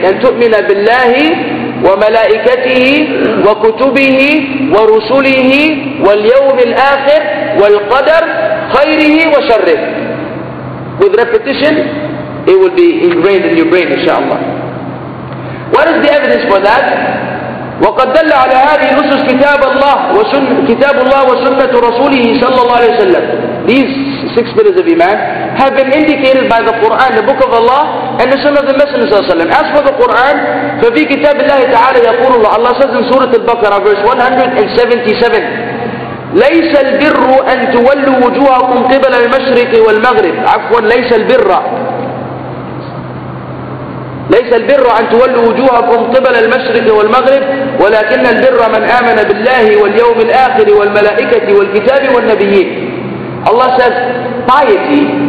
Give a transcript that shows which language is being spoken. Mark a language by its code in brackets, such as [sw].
[ar] And تؤمن بالله وملائكته وكتبه ورسله واليوم الآخر والقدر خيره وشره. [en] With repetition, it will be ingrained in your brain, inshallah. What is the evidence for that? [ar] وقد دل على هذه الأسس كتاب الله وسنة كتاب الله وسنة رسوله صلى الله عليه وسلم. [en] These six pillars of iman have been indicated by the Quran, the book of Allah, and the Sunnah of the Messenger [ar] صلى الله عليه وسلم. [en] As for the Quran, [ar] ففي كتاب الله تعالى يقول الله. [en] Allah says in Surah Al-Baqarah, verse 177. [ar] ليس البر أن تولوا وجوهكم قبل المشرق والمغرب. عفوا ليس البر. ليس البر أن تولوا وجوهكم قبل المشرق والمغرب ولكن البر من آمن بالله واليوم الآخر والملائكة والكتاب والنبيين [en] Allah says piety